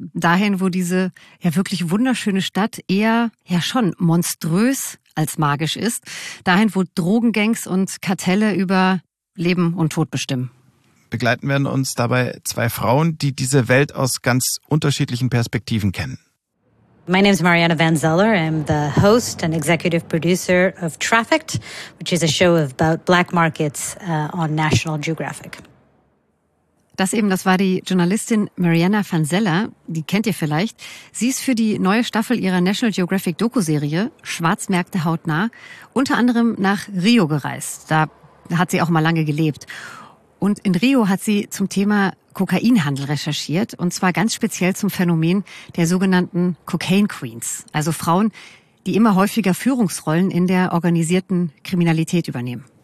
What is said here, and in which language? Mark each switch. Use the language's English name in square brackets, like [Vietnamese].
[German] Dahin, wo diese ja wirklich wunderschöne Stadt eher ja schon monströs als magisch ist. Dahin, wo Drogengangs und Kartelle über Leben und Tod bestimmen. Begleiten werden uns dabei zwei Frauen, die diese Welt aus ganz unterschiedlichen Perspektiven kennen. [English] My name is Mariana Van Zeller. I'm the host and executive producer of Trafficked, which is a show about black markets on National Geographic. [German] Das war die Journalistin Mariana Van Zeller, die kennt ihr vielleicht. Sie ist für die neue Staffel ihrer National Geographic Doku-Serie Schwarzmärkte hautnah unter anderem nach Rio gereist. Da hat sie auch mal lange gelebt. Und in Rio hat sie zum Thema Kokainhandel recherchiert und zwar ganz speziell zum Phänomen der sogenannten Cocaine Queens, also Frauen, die immer häufiger Führungsrollen in der organisierten Kriminalität übernehmen.